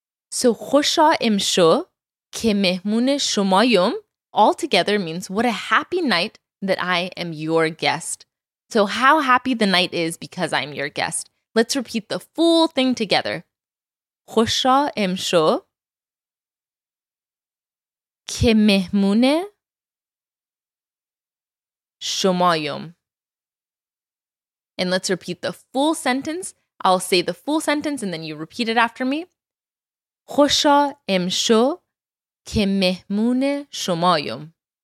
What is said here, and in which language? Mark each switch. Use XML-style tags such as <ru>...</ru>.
<en>So</en> <fa>khusha imsho ke mehmune shoma'yum</fa> <en>altogether means what a happy night that I am your guest. So how happy the night is because I'm your guest. Let's repeat the full thing together.</en> <fa>Khusha imsho که مهمون شمایم.</fa> <en>And let's repeat the full sentence. I'll say the full sentence and then you repeat it after me.</en> <fa>خوشا امشو که مهمون شمایم.</fa>